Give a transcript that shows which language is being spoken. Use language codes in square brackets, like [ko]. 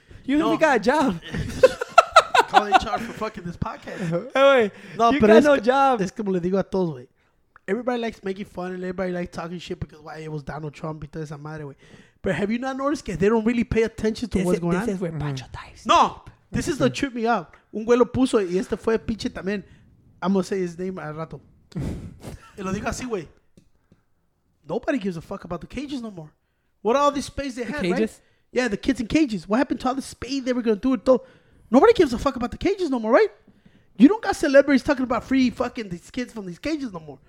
[en] You only got a job. Call HR for fucking this podcast. Hey, wait. No, you got no job. [es] Es como le digo a todos, güey. [en] Everybody likes making fun and everybody likes talking shit because why it was Donald Trump and toda esa madre, güey. But have you not noticed that they don't really pay attention to what's going on? This is where Pancho dies. No. This is the trip me up. [es] Un güey lo puso y este fue pinche también. I'm going to say his name al rato. Y lo digo así, güey. [en] Nobody gives a fuck about the cages no more. What all this space they had, right? Cages? Yeah, the kids in cages. What happened to all the space they were going to do? Nobody gives a fuck about the cages no more, right? You don't got celebrities talking about free fucking these kids from these cages no more.